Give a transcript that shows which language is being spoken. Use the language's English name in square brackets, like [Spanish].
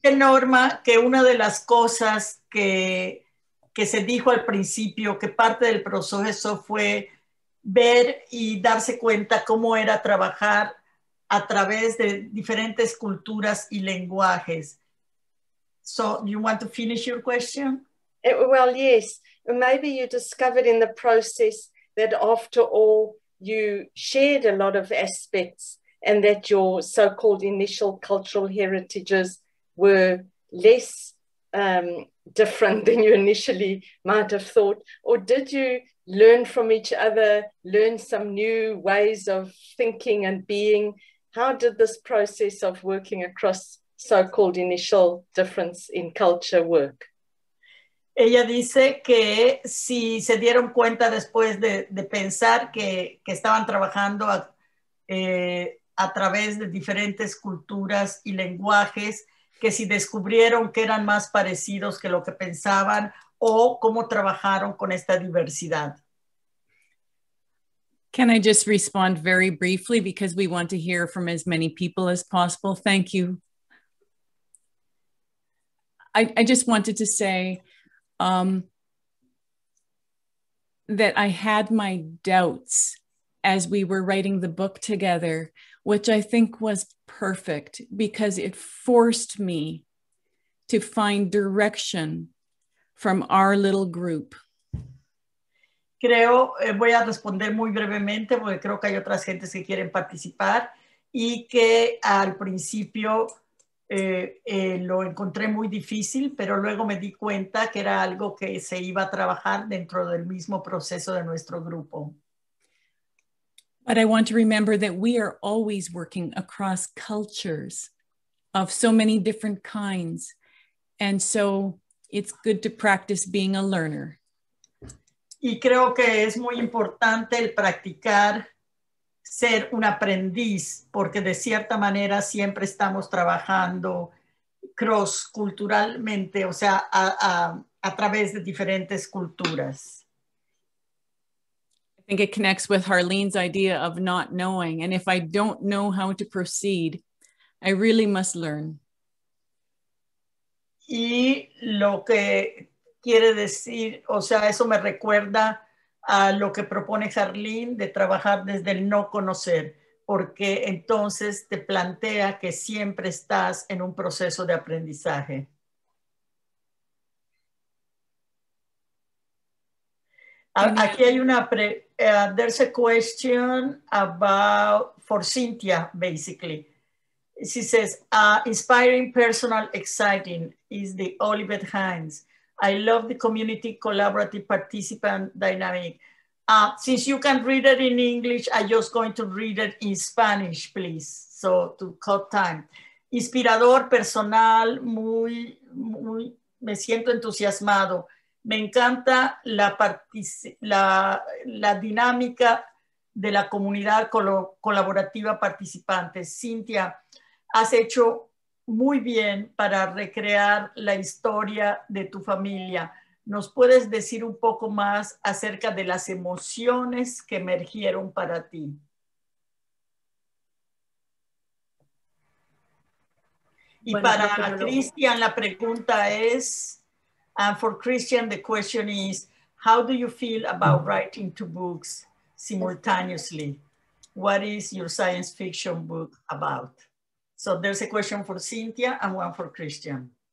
[Spanish] Dice Norma que una de las cosas que se dijo al principio, que parte del proceso fue ver y darse cuenta cómo era trabajar a través de diferentes culturas y lenguajes. [English] So you want to finish your question? Well, yes. Maybe you discovered in the process that after all, you shared a lot of aspects and that your so-called initial cultural heritages were less different than you initially might have thought. Or did you learn from each other, learn some new ways of thinking and being? How did this process of working across so-called initial difference in culture work? [Spanish] Ella dice que si se dieron cuenta después de pensar que estaban trabajando a través de diferentes culturas y lenguajes, que si descubrieron que eran más parecidos que lo que pensaban o cómo trabajaron con esta diversidad. [English] Can I just respond very briefly because we want to hear from as many people as possible? Thank you. I just wanted to say that I had my doubts as we were writing the book together, which I think was perfect because it forced me to find direction from our little group. [Spanish] Creo, voy a responder muy brevemente porque creo que hay otras gentes que quieren participar y que al principio lo encontré muy difícil, pero luego me di cuenta que era algo que se iba a trabajar dentro del mismo proceso de nuestro grupo. [English] But I want to remember that we are always working across cultures of so many different kinds, and so it's good to practice being a learner. [Spanish] Y creo que es muy importante el practicar ser un aprendiz, porque de cierta manera siempre estamos trabajando cross-culturalmente, o sea, a través de diferentes culturas. [English] I think it connects with Harleen's idea of not knowing, and if I don't know how to proceed, I really must learn. [Spanish] Y lo que quiere decir, o sea, eso me recuerda a lo que propone Harleen de trabajar desde el no conocer, porque entonces te plantea que siempre estás en un proceso de aprendizaje. Aquí hay una [English] there's a question about for Cynthia, basically. She says, inspiring, personal, exciting is the Olivet Hines. I love the community collaborative participant dynamic. Since you can read it in English, I'm just going to read it in Spanish, please. So to cut time. [Spanish] Inspirador, personal, muy, muy, me siento entusiasmado. Me encanta la dinámica de la comunidad colaborativa participante. Cynthia, has hecho muy bien para recrear la historia de tu familia. ¿Nos puedes decir un poco más acerca de las emociones que emergieron para ti? Y bueno, para Christian, la pregunta es, [English] and for Christian, the question is, how do you feel about writing two books simultaneously? What is your science fiction book about? So there's a question for Cynthia and one for Christian.